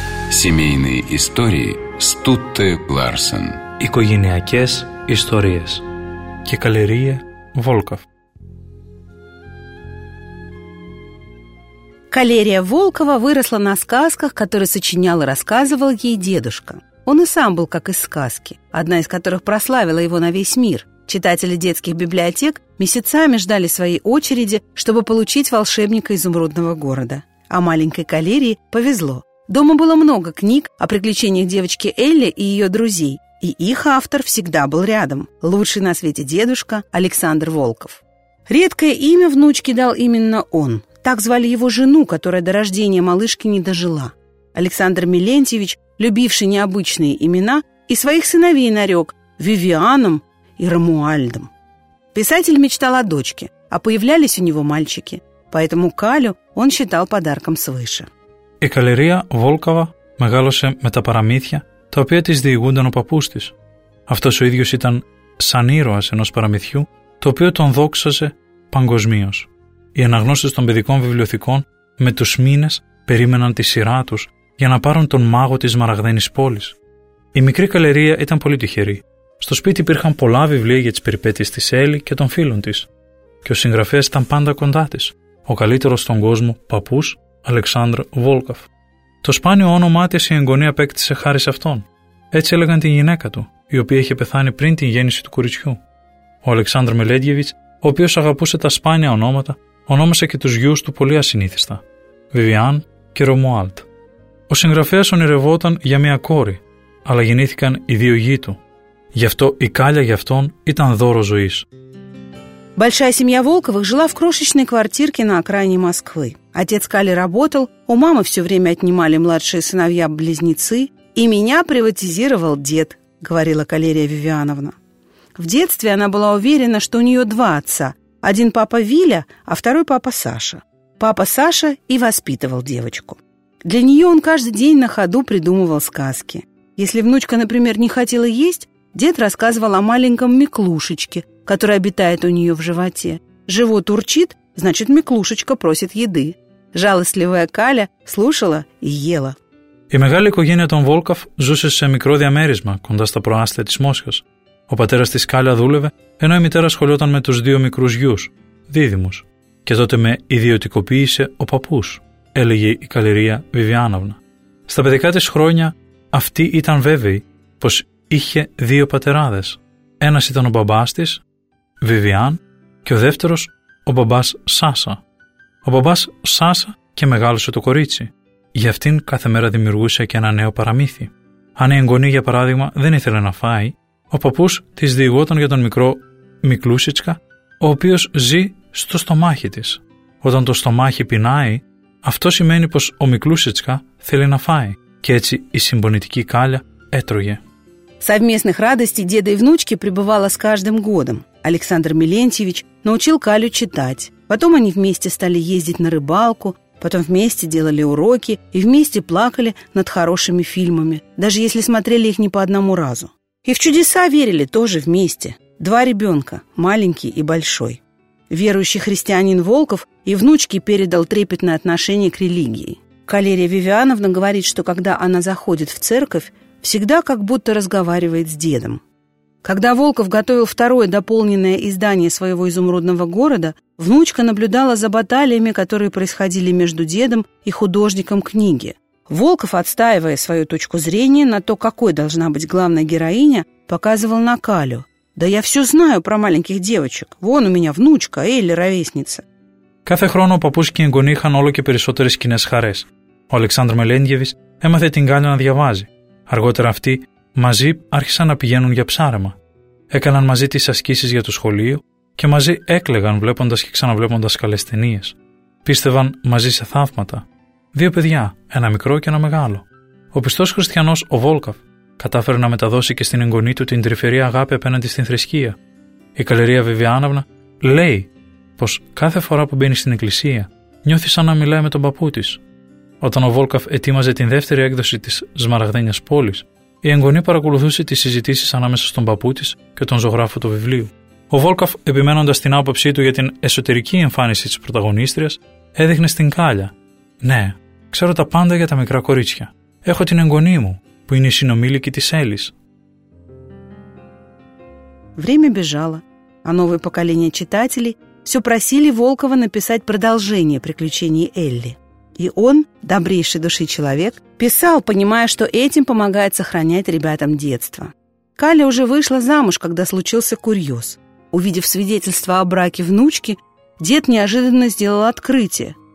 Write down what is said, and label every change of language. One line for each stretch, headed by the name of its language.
Russian: Семейные истории Стутте Ларсен.
Greek: Οικογενειακές ιστορίες. Και καλερία Βόλκοφ.
Russian: Калерия Волкова выросла на сказках, которые сочинял и рассказывал ей дедушка. Он и сам был как из сказки, одна из которых прославила его на весь мир. Читатели детских библиотек месяцами ждали своей очереди, чтобы получить волшебника изумрудного города. А маленькой Калерии повезло. Дома было много книг о приключениях девочки Элли и ее друзей. И их автор всегда был рядом. Лучший на свете дедушка Александр Волков. Редкое имя внучке дал именно он – так звали его жену, которая до рождения малышки не дожила. Александр Милентьевич, любивший необычные имена, и своих сыновей нарек Вивианом и Рамуальдом. Писатель мечтал о дочке, а появлялись у него мальчики, поэтому Калю он считал подарком свыше.
Greek: И калерия Волкова мегалосе με τα παραμύθια, τα οποία της διηγούνταν ο παππούς της. Αυτός ο ίδιος ήταν σαν ήρωας ενός παραμυθιού, το οποίο τον δόξαζε παγκοσμίως. Οι αναγνώστες των παιδικών βιβλιοθηκών με τους μήνες περίμεναν τη σειρά τους για να πάρουν τον μάγο της Μαραγδαίνης πόλης. Η μικρή Καλερία ήταν πολύ τυχερή. Στο σπίτι υπήρχαν πολλά βιβλία για τις περιπέτειες της Έλλη και των φίλων της. Και ο συγγραφέας ήταν πάντα κοντά της, ο καλύτερος στον κόσμο παππούς Αλεξάνδρ Βόλκοφ. Το σπάνιο όνομά της η εγγονή απέκτησε χάρη σε αυτόν. Έτσι έλεγαν τη γυναίκα του, η οποία είχε πεθάνει πριν την γέννηση του κοριτσιού. Ο Αλεξάνδρ Μελέντιεβιτς, ο οποίος αγαπούσε τα σπάνια ονόματα, ονόμασε και τους γιους του πολύ ασυνήθιστα, Βιβιάν και Ρομουάλτ. Ο συγγραφέας ονειρευόταν για μια κόρη, αλλά γεννήθηκαν οι δύο γιοι του. Γι' αυτό η κάλια για αυτόν ήταν δώρο ζωής.
Russian: Большая семья Волковых жила в крошечной квартирке на окраине Москвы. Отец Кали работал, у мамы все время отнимали младшие сыновья-близнецы, и меня приватизировал дед, говорила Калерия Вивиановна. В детстве она была уверена, что у нее два отца. Один папа Виля, а второй папа Саша. Папа Саша и воспитывал девочку. Для нее он каждый день на ходу придумывал сказки. Если внучка, например, не хотела есть, дед рассказывал о маленьком Миклушечке, который обитает у нее в животе. Живот урчит, значит, Миклушечка просит еды. Жалостливая Каля слушала и ела.
Greek: Η μεγάλη οικογένεια των Βόλκοφ ζούσε σε μικρό διαμέρισμα κοντά στα προάστια της Μόσχας. Ο πατέρας της Κάλια δούλευε, ενώ η μητέρα ασχολιόταν με τους δύο μικρούς γιους, δίδυμους. Και τότε με ιδιωτικοποίησε ο παππούς, έλεγε η Καλερία Βιβιάνοβνα. Στα παιδικά της χρόνια αυτή ήταν βέβαιη πως είχε δύο πατεράδες. Ένας ήταν ο μπαμπάς της, Βιβιάν, και ο δεύτερος ο μπαμπάς Σάσα. Ο μπαμπάς Σάσα και μεγάλωσε το κορίτσι. Για αυτήν κάθε μέρα δημιουργούσε και ένα νέο παραμύθι. Αν η εγγονή, για παράδειγμα, δεν ήθελε να φάει, ο παππούς της διηγόταν για τον μικρό Μικλούσιτσκα, ο οποίος ζει στο στομάχι της. Όταν το στομάχι πεινάει, αυτό σημαίνει πως ο Μικλούσιτσκα θέλει να φάει. Και έτσι η συμπονητική Κάλια έτρωγε.
Russian: Совместных радостей деда и внучки пребывало с каждым годом. Александр Милентьевич научил Калю читать. Потом они вместе стали ездить на рыбалку, потом вместе делали уроки и вместе плакали над хорошими фильмами, даже если смотрели их не по одному разу. И в чудеса верили тоже вместе. Два ребенка, маленький и большой. Верующий христианин Волков и внучке передал трепетное отношение к религии. Калерия Вивиановна говорит, что когда она заходит в церковь, всегда как будто разговаривает с дедом. Когда Волков готовил второе дополненное издание своего «Изумрудного города», внучка наблюдала за баталиями, которые происходили между дедом и художником книги. Волков, отстаивая свою точку зрения на то, какой должна быть главная героиня, показывал на Калю. «Да я все знаю про маленьких девочек. Вон у меня внучка, Элли, ровесница».
Greek: Кафе хроно папуш и гони хан оло ке перисотерис кинес харес. Ο Александр Μελέντιεβις έμαθε την Κάλια να διαβάζει. Αργότερα αυτοί μαζί άρχισαν να πηγαίνουν για ψάρεμα. Έκαναν μαζί τις ασκήσεις για το σχολείο και μαζί έκλαιγαν βλέποντας και ξαναβλέποντας καλές ταινίες. Πίστευαν μαζί σε θαύματα. Δύο παιδιά, ένα μικρό και ένα μεγάλο. Ο πιστός χριστιανός, ο Βόλκοφ, κατάφερε να μεταδώσει και στην εγγονή του την τρυφερή αγάπη απέναντι στην θρησκεία. Η Καλερία Βιβιάνοβνα λέει πως κάθε φορά που μπαίνει στην εκκλησία νιώθει σαν να μιλάει με τον παππού της. Όταν ο Βόλκοφ ετοίμαζε την δεύτερη έκδοση της Σμαραγδένιας Πόλης, η εγγονή παρακολουθούσε τις συζητήσεις ανάμεσα στον παππού της και τον ζωγράφο του βιβλίου. Ο Βόλκοφ, επιμένοντας την άποψή του για την εσωτερική εμφάνιση της πρωταγωνίστριας, έδειχνε στην Κάλια: «Ναι, ξέρω τα πάντα για τα μικρά κορίτσια. Έχω την εγγονή μου, που είναι η συνομήλικη της Έλλης».
Russian: Время бежало, а новое поколение читателей все просили Волкова написать продолжение приключений Элли. И он, добрейшей души человек, писал, понимая, что этим помогает сохранять ребятам детство. Каля уже вышла замуж, когда случился курьез. Увидев свидетельство о браке внучки, дед неожиданно сделал открытие.